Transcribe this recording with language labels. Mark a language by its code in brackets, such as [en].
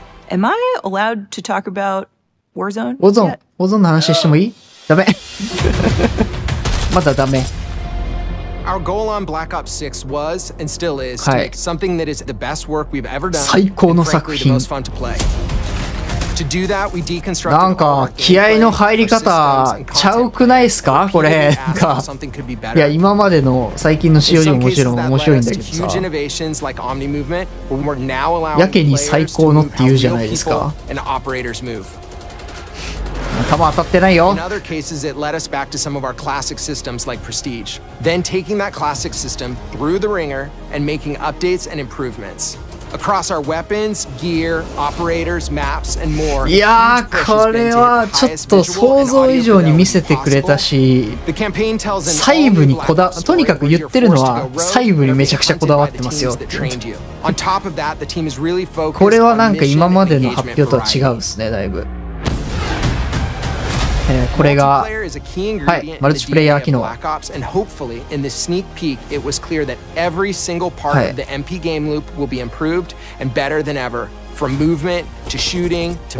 [en] Am I allowed to talk about Warzone? [ja] Warzone の話してもいい？ダメ。まだダメ。 [en] Our goal on Black Ops 6 was and still is to make something that is the best work we've ever done. [ja] 最高の作品。 [en] And frankly, the most fun to play. To do that, [ja] なんか気合の入り方ちゃうくないですかこれ。いや今までの最近の仕様にももちろん面白いんだけどさ。 [en] Like Omni Movement, but we're now [ja] やけに最高のって言うじゃないですか。弾当たってないよ。 [en] In other cases, it led us back to some of our classic systems like Prestige. Then taking that classic system through the ringer and making updates and improvements. Across our weapons, gear, operators, maps, and more. [ja] いやー、これはちょっと想像以上に見せてくれたし、細部にこだ、とにかく言ってるのは細部にめちゃくちゃこだわってますよって。これはなんか今までの発表とは違うですね、だいぶ。これが、はい、マルチプレイヤー機能。 [en] hopefully in this sneak peek it was clear that every single part of the MP game loop will be improved and better than ever from movement to shooting to